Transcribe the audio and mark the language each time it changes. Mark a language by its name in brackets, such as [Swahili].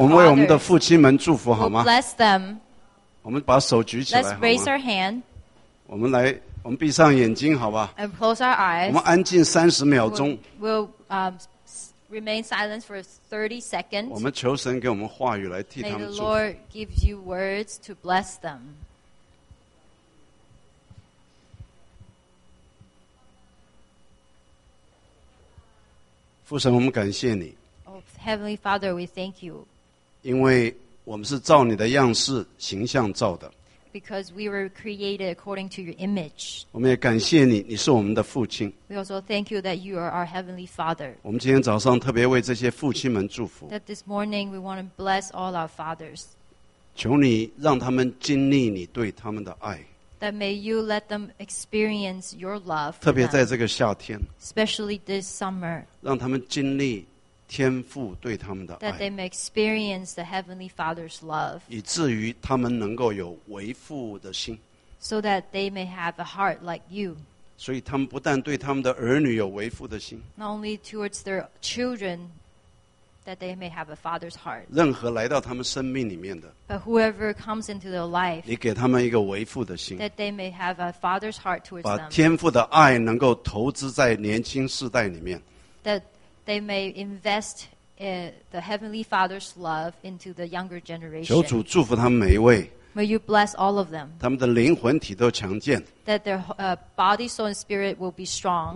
[Chinese] 我们为我们的父亲们祝福好吗 [English] ？Bless them. [Chinese] 我们把手举起来好吗 [English] ？Let's raise our hand. [Chinese] 我们闭上眼睛好吧 [English] ？And close our eyes. [Chinese] 我们安静30秒钟 [English] We'll remain silent for 30 seconds. [Chinese] 我们求神给我们话语来替他们祝福。 [English] May the Lord give you words to bless them. [Chinese] 父神，我们感谢你。 [English] Oh, Heavenly Father, we thank you. [Chinese] 因为我们是照你的样式形象造的。 [English] Because we were created according to your image. [Chinese] 我们也感谢你，你是我们的父亲。 [English] We also thank you that you are our Heavenly Father. [Chinese] 我们今天早上特别为这些父亲们祝福。 [English] That this morning we want to bless all our fathers. [Chinese] 求你让他们经历你对他们的爱。 [English] That may you let them experience your love. [Chinese] 特别在这个夏天, [English] especially this summer. [Chinese] 让他们经历天父对他们的爱, [English] that they may experience the Heavenly Father's love. [Chinese] 以至于他们能够有为父的心, [English] so that they may have a heart like you. [Chinese] 所以他们不但对他们的儿女有为父的心, [English] not only towards their children, that they may have a father's heart. [Chinese] 任何来到他们生命里面的, [English] but whoever comes into their life, [Chinese] 你给他们一个为父的心, [English] that they may have a father's heart towards them. [Chinese] 把天父的爱能够投资在年轻世代里面, [English] that they may invest the Heavenly Father's love into the younger generation. [Chinese] 求主祝福他们每一位, [English] may you bless all of them. [Chinese] 他们的灵魂体都强健, that their body, soul, and spirit will be strong.